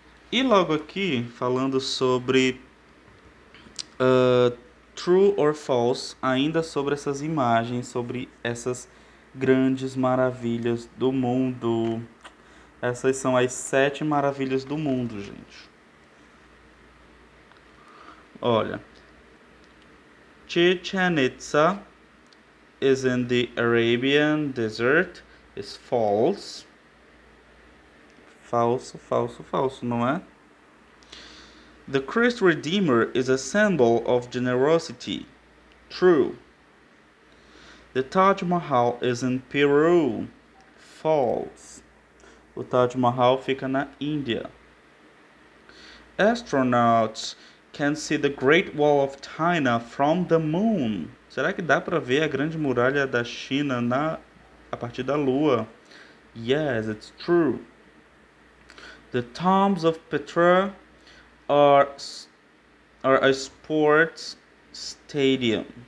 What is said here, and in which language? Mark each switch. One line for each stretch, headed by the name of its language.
Portuguese: E logo aqui, falando sobre
English: true or false,
Portuguese: ainda sobre essas imagens, sobre essas grandes maravilhas do mundo. Essas são as sete maravilhas do mundo, gente. Olha,
English: Chichen Itza is in the Arabian Desert. It's false.
Portuguese: Falso, falso, falso, não é?
English: The Christ Redeemer is a symbol of generosity. True. The Taj Mahal is in Peru. False.
Portuguese: O Taj Mahal fica na Índia.
English: Astronauts can see the Great Wall of China from the Moon.
Portuguese: Será que dá para ver a Grande Muralha da China a partir da Lua?
English: Yes, it's true. The Tombs of Petra are a sports stadium.